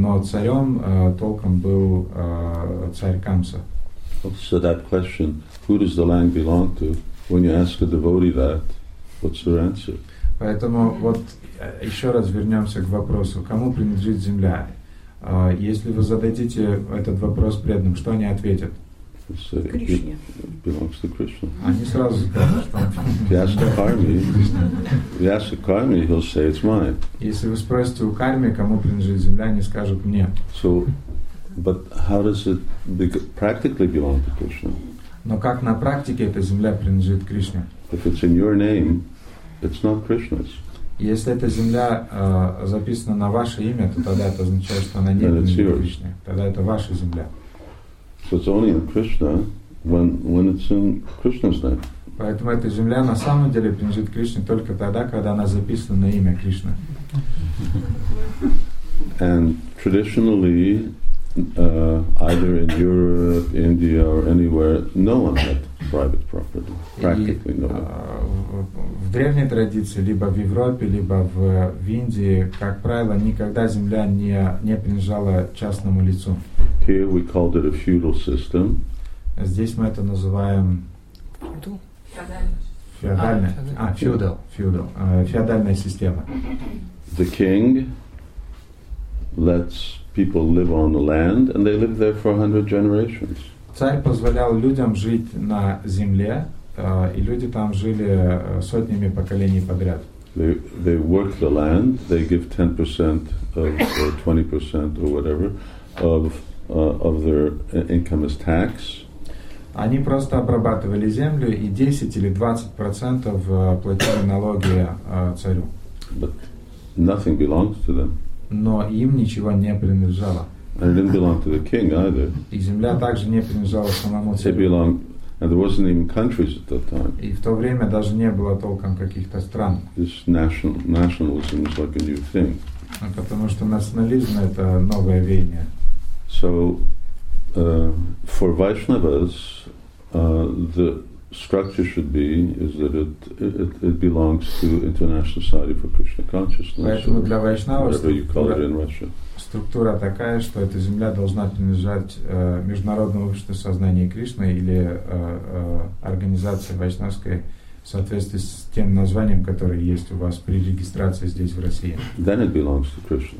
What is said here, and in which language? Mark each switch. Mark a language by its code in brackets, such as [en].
[ru] но царем толком был царь Камса. [en] So that question, who does the land belong to, when you ask a devotee that, what's their answer? [ru] Поэтому вот еще раз вернемся к вопросу, кому принадлежит земля? Если вы зададите этот вопрос преданным, что они ответят? [en] It belongs to Krishna. [ru] Они сразу скажут, что он принадлежит. [en] If you ask a karmi, he'll say it's mine. [ru] Если вы спросите у карми, кому принадлежит земля, они скажут мне. [en] So, but how does it practically belong to Krishna? [ru] Но как на практике эта земля принадлежит Кришне? [en] If it's in your name, it's not Krishna's. [ru] Если эта земля записана на ваше имя, то тогда это означает, что она не принадлежит Кришне. Тогда это ваша земля. [en] So it's only in Krishna when it's in Krishna's name. [ru] Поэтому эта земля на самом деле принадлежит Кришне только тогда, когда она записана на имя Кришны. [en] And traditionally, either in Europe, India, or anywhere, no one had private property. Practically no one. [ru] В древней традиции, либо в Европе, либо в Индии, как правило, никогда земля не принадлежала частному лицу. [en] Here we called it a feudal system. [ru] Здесь мы это называем феодальная система. [en] The king lets people live on the land, and they live there for 100 generations. [ru] Царь позволял людям жить на земле, и люди там жили сотнями поколений подряд. [en] They work the land. They give 10% or 20% or whatever of their income as tax. [ru] Они просто обрабатывали землю и 10 или 20% платили налоги царю. [en] But nothing belongs to them. [ru] Но им ничего не принадлежало. [en] And it didn't belong to the king either. [ru] И земля также не принадлежала самому царю. [en] It belonged, and there wasn't even countries at that time. [ru] И в то время даже не было толком каких-то стран. [en] This nationalism is like a new thing. [ru] Потому что национализм — это новое веяние. [en] So, for Vaishnavas, the structure should be is that it belongs to International Society for Krishna Consciousness. [ru] Поэтому для Вайшнава структура такая, что эта земля должна принадлежать Международному обществу сознания Кришны или организации Вайшнавской в соответствии с тем названием, которое есть у вас при регистрации здесь в России. [en] Then it belongs to Krishna.